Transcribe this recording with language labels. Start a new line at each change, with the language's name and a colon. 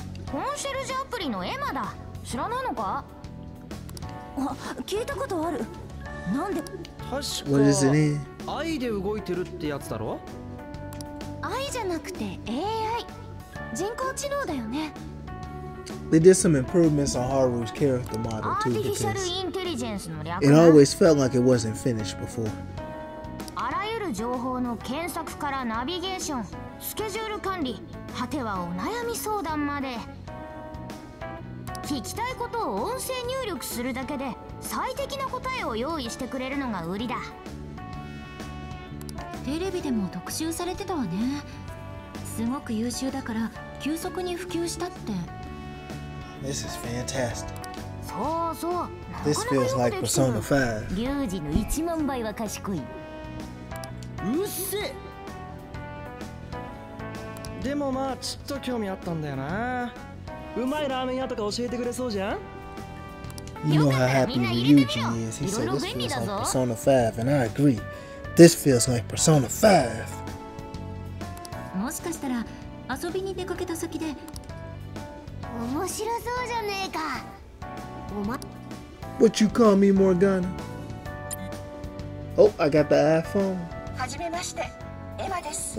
Japanese: コンシェルジュアプリのエマだ。知らないのか。あ、聞いたことある。なんで。確か愛で動いてるってやつだろ。愛じゃなくて AI、 人工知能だよね。
English: They did some improvements on Haru's character model too, because it always felt like it wasn't finished before.
Japanese: あらゆる情報の検索からナビゲーション、スケジュール管理、果てはお悩み相談まで。聞きたいことを音声入力するだけで最適な答えを用意してくれるのが売りだ。テレビでも特集されてたわね。すごく優秀だから急速に普及したって。
English: This is fantastic.
Japanese: そうそう。
English: This feels like Persona 5.
Japanese: リュウジの1万倍は賢い。うっせ。でもまあちょっと興味あったんだよな。うまいラーメン屋とか教えてくれそうじゃん。
English: You know how happy Ryuji is. He said this feels like Persona 5, and I agree. This feels like Persona 5.
Japanese: もしかしたら遊びに出かけた先で。面白そうじゃねえか。おま。
English: What you call me, Morgana? Oh, I got the iPhone.
Japanese: はじめまして、エマです。